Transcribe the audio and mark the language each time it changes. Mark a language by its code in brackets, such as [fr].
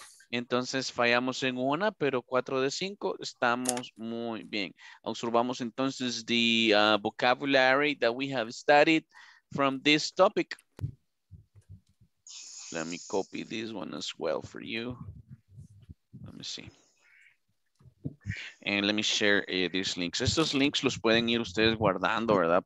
[es] Entonces fallamos en una, pero 4 de 5 estamos muy bien. Observamos entonces [en] the vocabulary that we have studied from this topic. Let me copy this one as well for you. Let me see. And let me share these links. [es] Estos links los pueden ir ustedes guardando, ¿verdad?